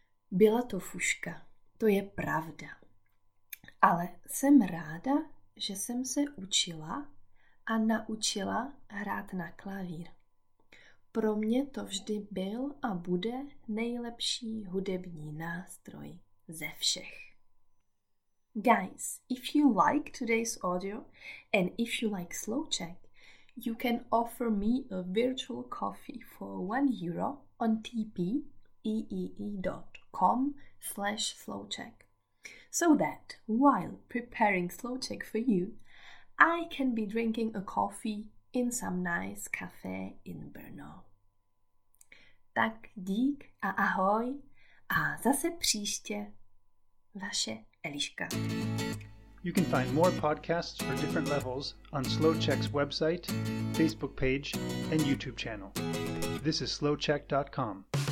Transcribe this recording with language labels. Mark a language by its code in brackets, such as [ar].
[cs] Byla to fuška, to je pravda. Ale jsem ráda, že jsem se učila a naučila hrát na klavír. Pro mě to vždy byl a bude nejlepší hudební nástroj ze všech. [en] Guys, if you like today's audio and if you like Slow Czech, you can offer me a virtual coffee for 1 euro on tpeee.com/slowcheck. So that while preparing Slow Czech for you, I can be drinking a coffee in some nice cafe in Brno. [cs] Tak dík a ahoj a zase příště. Vaše Eliška. [en] You can find more podcasts for different levels on Slow Czech's website, Facebook page, and YouTube channel. This is slowcheck.com.